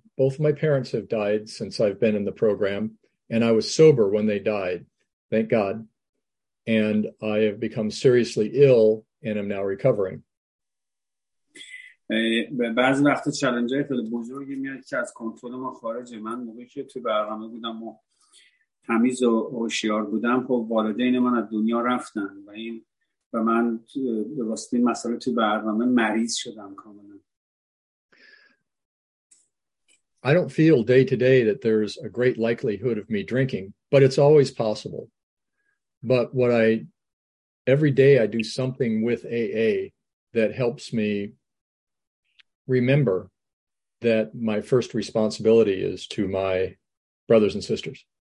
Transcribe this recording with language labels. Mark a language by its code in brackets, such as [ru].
[en] Both my parents have died since I've been in the program, and I was sober when they died, thank God. And I have become seriously ill and am now recovering. [fa] بعضی وقتا چالنج های خیلی بزرگی میاد که از کنترل ما خارجه. من موقعی که تو برنامه بودم و تمیز و هوشیار بودم، خب والدین من از دنیا رفتن و این و من به واسطه مسئله تو برنامه مریض شدم کاملا. [en] I don't feel day to day that there's a great likelihood of me drinking, but it's always possible. But what I every day I do something with AA that helps me remember that my first responsibility is to my brothers and sisters.